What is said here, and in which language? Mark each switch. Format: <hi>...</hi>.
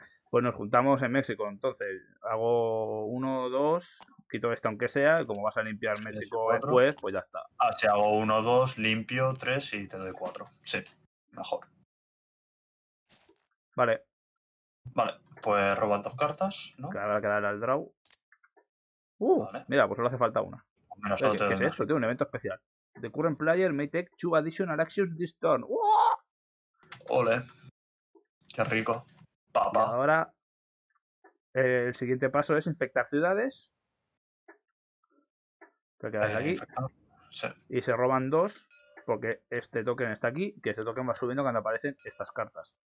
<es>Pues nos juntamos en México, entonces. Hago 1, 2, quito esto aunque sea, y como vas a limpiar México después, pues ya está. Ah, si hago 1, 2, limpio 3 y te doy 4. Sí, mejor. Vale. Vale, pues robas 2 cartas, ¿no? Que ahora quedará el draw. Vale. Mira, pues solo hace falta una. ¿Qué es esto? Tiene un evento especial.</es> <en>The current player may take 2 additional actions this turn.</en> <es>Ole. Qué rico. Papa. Ahora, el siguiente paso es infectar ciudades. Te quedas aquí. Sí. Y se roban 2, porque este token está aquí, que este token va subiendo cuando aparecen estas cartas.</es>